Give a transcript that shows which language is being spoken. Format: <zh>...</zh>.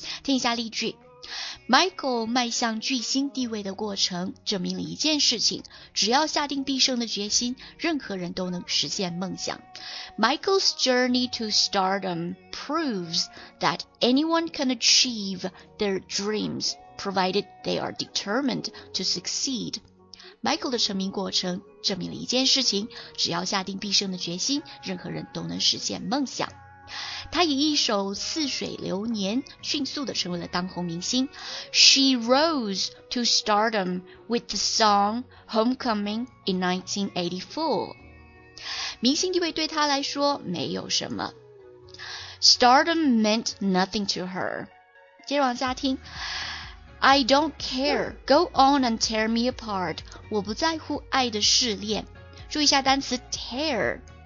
<zh>听一下例句，Michael 迈向巨星地位的过程证明了一件事情，只要下定毕生的决心，任何人都能实现梦想。</zh> <en>Michael's journey to stardom proves that anyone can achieve their dreams provided they are determined to succeed.</en> <zh>Michael 的成名过程证明了一件事情，只要下定毕生的决心，任何人都能实现梦想。他以一首《似水流年》迅速地成为了当红明星。</zh> <en>She rose to stardom with the song Homecoming in 1984.</en> <zh>明星地位对他来说没有什么。</zh> <en>Stardom meant nothing to her.</en> <zh>接着往下听。</zh> <en>I don't care. Go on and tear me apart.</en> <zh>我不在乎爱的试炼。注意一下单词 tear.</zh>